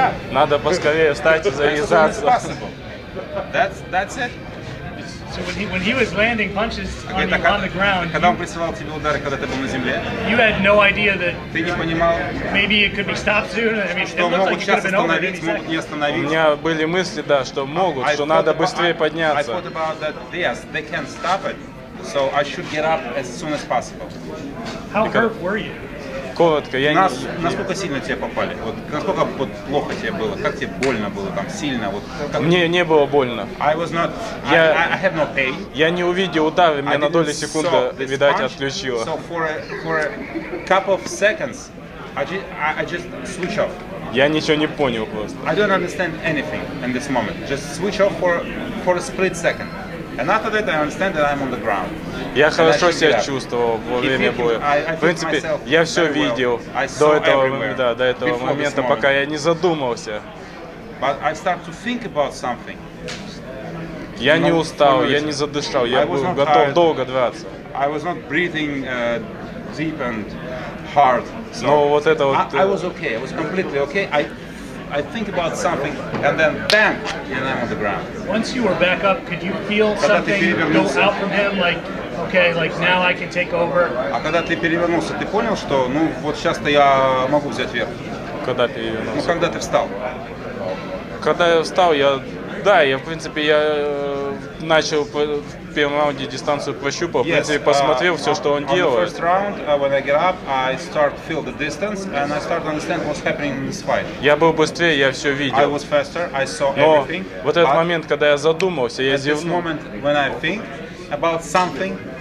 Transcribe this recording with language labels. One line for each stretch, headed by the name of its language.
Russian: Надо поскорее встать и завязаться.
English: That's it. So when he was landing punches on the ground,
Russian: когда он присылал тебе удары, когда ты был на земле,
English: you had no idea that.
Russian: Ты не понимал.
English: Maybe it could be stopped soon. I mean,
Russian: что могут сейчас остановить, могут не остановить. У меня были мысли, да, что могут, что надо быстрее подняться.
English: I thought about that. Yes, they can stop it, so I should get up as soon as possible. How hurt were you?
Russian: Коротко, я нас, не... Насколько сильно тебе попали? Вот, насколько вот, плохо тебе было? Как тебе больно было там? Сильно? Вот, как... Мне не было больно.
English: I have no pain.
Russian: Я не увидел удар, меня на долю секунды, видать, отключило.
English: So for a couple of seconds, I just switch off.
Russian: Я ничего не понял просто.
English: I don't understand anything in this moment. Just switch off for a split second. And after that, I understand that I'm on the ground.
Russian: Я хорошо себя чувствовал во время боя. В принципе, я все видел до этого, да, до этого момента, пока я не задумался.
English: But I start to think about something.
Russian: Я не устал, я не задышал, я был готов долго драться.
English: I was not breathing deep and hard.
Russian: Но вот это вот.
English: I was okay. I was completely okay. I think about something, and then bam, and I'm on the ground. Once you were back up, could you feel something go out from him, like, okay, like now I can take over?
Russian: А когда ты перевернулся, ты понял, что, ну, вот сейчас-то я могу взять верх? Когда перевернулся? Ну, когда ты встал? Когда я встал, я, да, я, в принципе, я начал в первом раунде дистанцию прощупал, в принципе, посмотрел все, что он делает.
English: On the first round, when I get up, I start feel the distance, and I start understand what's happening in this fight.
Russian: Я был быстрее, я все видел.
English: I was faster, I saw everything.
Russian: Но вот этот момент, когда я задумался, я зевнул.
English: At this moment, when I think about something,